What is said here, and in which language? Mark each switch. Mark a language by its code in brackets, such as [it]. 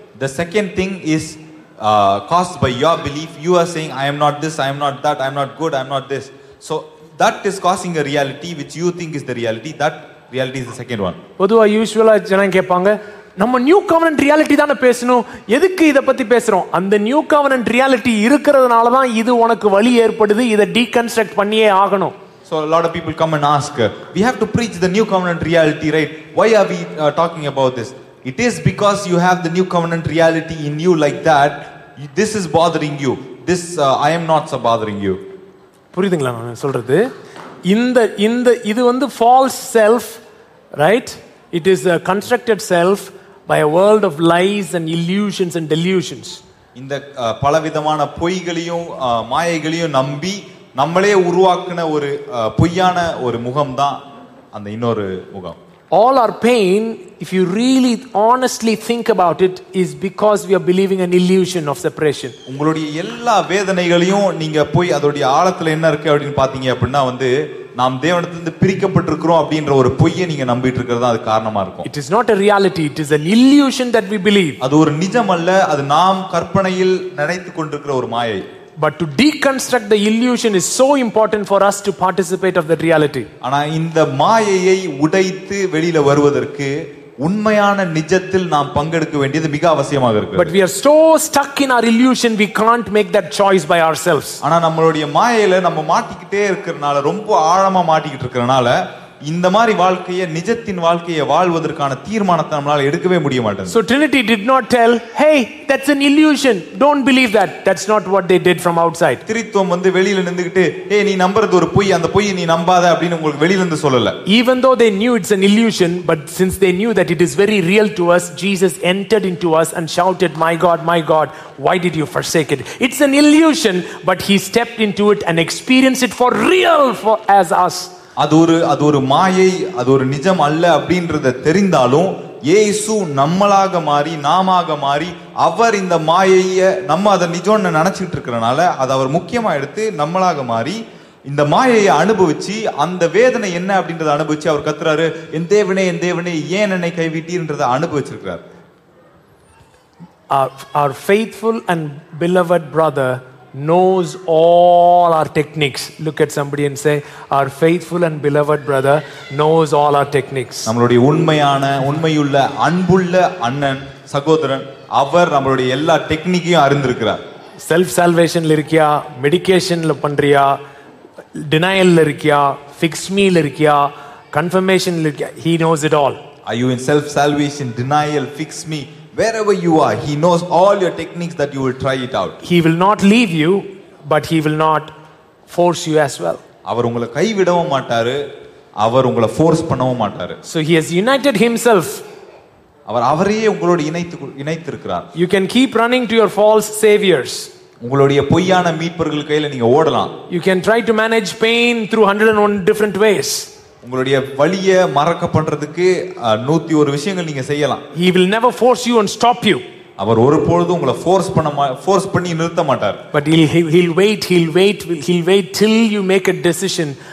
[en] The second thing is caused by your belief. You are saying I am not this, I am not that, I am not good, I am not this. So that is causing a reality which you think is the reality. That reality is the second one. [ta] பொதுவா யூசுவலா ஜனங்க கேட்பாங்க, நம்ம new covenant reality தான பேசணும், எதுக்கு இத பத்தி பேசுறோம்? அந்த நியூ கவனன்ட் ரியாலிட்டி இருக்கிறதுனால தான் இது உனக்கு வழி ஏற்படுது, இத டீகன்ஸ்ட்ரக்ட் பண்ணியே ஆகணும். [en] So a lot of people come and ask, we have to preach the new covenant reality, right? Why are we talking about this? It is because you have the new covenant reality in you like that. This is bothering you. This I am not so bothering you. [ta] புரியுதுங்களா நான் சொல்றது? இந்த இது வந்து [en] false self, right? It is a constructed self by a world of lies and illusions and delusions. [ta] இந்த பலவிதமான பொய்களையும் மாயைகளையும் நம்பி நம்மளே உருவாக்குன ஒரு பொய்யான ஒரு முகம் தான் அந்த இன்னொரு முகம். [en] All our pain, if you really honestly think about it, is because we are believing an illusion of separation. [ta] உங்களுடைய எல்லா வேதனைகளையும் நீங்க போய் அதோட ஆழத்துல என்ன இருக்கு அப்படினு பாத்தீங்க அப்படினா வந்து நாம் தேவனிடத்திலிருந்து பிரிக்கப்பட்டிருக்கிறோம் அப்படிங்கற ஒரு பொய்யை நீங்க நம்பிட்டு இருக்கிறது அது காரணமா இருக்கும். [en] It is not a reality, it is an illusion that we believe. [ta] அது ஒரு நிஜம் அல்ல, அது நாம் கற்பனையில் நினைத்து கொண்டிருக்கிற ஒரு மாயை. [en] But to deconstruct the illusion is so important for us to participate of that reality. [ta] ஆனா இந்த மாயையை உடைத்து வெளியில வருவதற்கு உண்மையான நிஜத்தில் நாம் பங்கெடுக்க வேண்டியது மிக அவசியமாக இருக்கு. [en] But we are so stuck in our illusion, we can't make that choice by ourselves. [ta] ஆனா நம்மளுடைய மாயையில நம்ம மாட்டிக்கிட்டே இருக்கறனால, ரொம்ப ஆழமா மாட்டிக்கிட்டு இருக்கறனால, இந்த மாதிரி வாழ்க்கையை, நிஜத்தின் வாழ்க்கையை வாழ்வதற்கான தீர்மானத்தை நம்மளால எடுக்கவே முடிய மாட்டேங்குது. [en] So Trinity did not tell, hey, that's an illusion, don't believe that. That's not what they did from outside. [ta] திரித்துவம் வந்து வெளியில நின்னுகிட்டு, ஏய், நீ நம்புறது ஒரு பொய், அந்த பொய் நீ நம்பாத அப்படினு உங்களுக்கு வெளியில இருந்து சொல்லல. [en] Even though they knew it's an illusion, but since they knew that it is very real to us, Jesus entered into us and shouted, my God, why did you forsake it? It's an illusion, but he stepped into it and experienced it for real for as us. [ta] அது ஒரு மாயை, அது ஒரு நிஜம் அல்ல அப்படின்றத தெரிந்தாலும் இயேசு நம்மளாக மாறி நாமாக மாறி அவர் இந்த மாயையை நம்ம அதை நிஜம்னு நினைச்சிட்டு இருக்கிறனால அதை அவர் முக்கியமா எடுத்து நம்மளாக மாறி இந்த மாயையை அனுபவிச்சு அந்த வேதனை என்ன அப்படின்றத அனுபவிச்சு அவர் கத்துறாரு, என் தேவனே என் தேவனே ஏன் என்னை கைவிட்டீர்ன்றத அனுபவிச்சிருக்கிறார். [en] Our faithful and beloved brother knows all our techniques. Look at somebody and say, our faithful and beloved brother knows all our techniques. [ta] நம்மளுடைய உண்மையான உண்மையுள்ள அன்புள்ள அண்ணன் சகோதரன் அவர் நம்மளுடைய எல்லா டெக்னிக்கையும் அறிந்திருக்கிறார். செல்ஃப் சால்வேஷன்ல இருக்கியா, மெடிக்கேஷன்ல பண்றியா, டினையல்ல இருக்கியா, ஃபிக்ஸ் மீல இருக்கியா, கன்ஃபர்மேஷன்ல இருக்கியா, [en] He knows it all. Are you in self salvation, denial, fix me? Wherever you are, he knows all your techniques that you will try it out. He will not leave you, but he will not force you as well. [ta] அவர் உங்களை கைவிடவும் மாட்டாரு, அவர் உங்களை force பண்ணவும் மாட்டாரு. [en] So he has united himself. [ta] அவர் அவரையே உங்களோடு இணைத்து இருக்கிறார். [en] You can keep running to your false saviors. [ta] உங்களுடைய பொய்யான மீட்பர்கள் கையில நீங்க ஓடலாம். [en] You can try to manage pain through 101 different ways. [ta] உங்களுடைய வலிய மறக்க பண்றதுக்கு 101 விஷயங்கள் நீங்க செய்யலாம். [en] He will never force you and stop you. [ta] அவர் ஒருபொழுதும் உங்களை ஃபோர்ஸ் பண்ணி நிறுத்த மாட்டார். [en] But he'll wait till you make a decision.